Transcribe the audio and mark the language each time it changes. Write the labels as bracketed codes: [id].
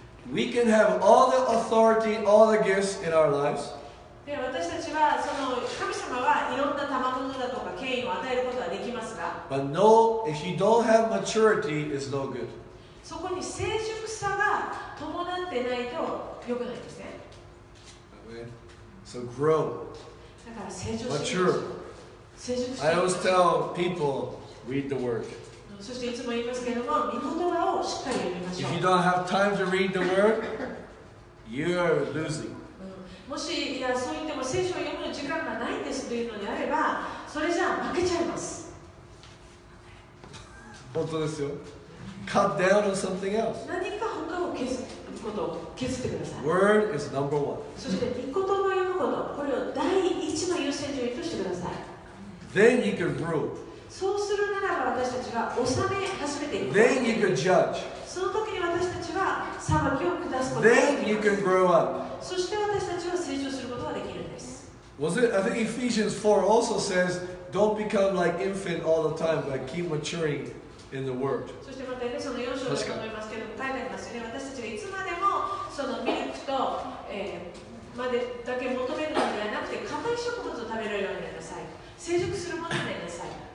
[en] We can have all the authority, all the gifts in our lives. [ja] で私たちはその神様はいろんな賜物だとか権威を与えることができますが [en] But no, if you don't have maturity, it's no good. [ja] そこに成熟さが伴ってないと良くないですね。 [en] So grow. [ja] だから成長していく。 [en] Mature. [ja] 成熟していく。 [en] I always tell people, read the word. [ja] そしていつも言いますけれども、御言葉をしっかり読みましょう。 [en] If you don't have time to read the word, you are losing. [ja] もしいやそう言っても聖書を読む時間がないんですというのであればそれじゃ負けちゃいます本当ですよ [en] Cut down on something else [ja] 何か他を消すことを削ってください [en] Word is number one [ja] そして御言葉を読むことこれを第一の優先順位としてください [en] Then you can rule [ja] そうするならば私たちは治め始めていく [en] Then you can judge [ja] その時に私たちは裁きを下すことができます [en] Then you can grow up [ja] そして私たちは成長することができるんです。 [en] Was it? I think Ephesians 4 also says, don't become like infant all the time, but keep maturing in the word. [ja] そしてまたね、その4章だと思いますけども、書いてありますよね。私たちはいつまでもそのミルクと、までだけ求めるのではなくて、硬い食物を食べるようになりなさい。成熟するものになりなさい。